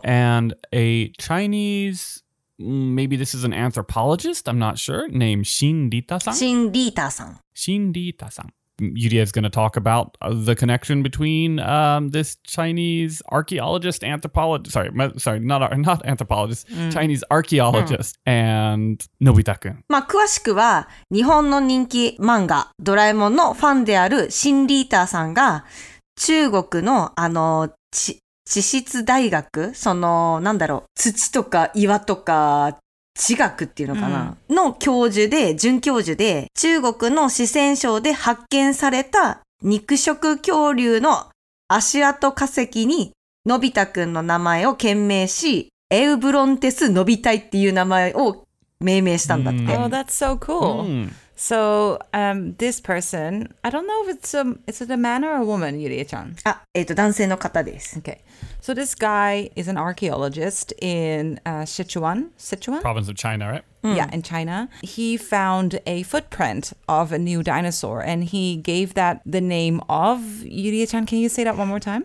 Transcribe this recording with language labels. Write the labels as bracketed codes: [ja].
[en] And a Chinese, maybe this is an anthropologist, I'm not sure, named Shin Rita-san. Yuria is going to talk about the connection between this Chinese archaeologist, anthropologist, not anthropologist, Chinese archaeologist and Nobita-kun. [ja] まあ、詳しくは日本の人気漫画ドラえもんのファンであるシン・リーターさんが中国の地質大学、その何だろう、土とか岩とか地学っていうのかな、の教授で、准教授で、中国の四川省で発見された肉食恐竜の足跡化石に、のび太くんの名前を献名し、エウブロンテスのび太っていう名前を命名したんだって。 [en] Oh, that's so cool. So this person, I don't know if it's a, is it a man or a woman, Yurie-chan? [ja] Ah, 男性の方です。 [en] Okay. So this guy is an archaeologist in Sichuan? Province of China, right? Mm. Yeah, in China. He found a footprint of a new dinosaur, and he gave that the name of, Yurie-chan, can you say that one more time?